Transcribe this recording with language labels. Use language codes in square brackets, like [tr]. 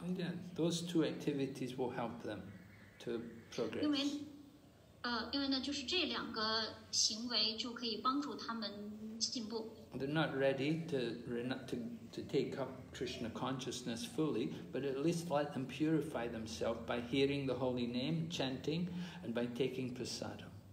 [en] And then those two activities will help them to progress. [zh] 因为呢，就是这两个行为就可以帮助他们进步。 [en] They're not ready to take up Krishna consciousness fully, but at least let them purify themselves by hearing the holy name, chanting, and by taking prasadam.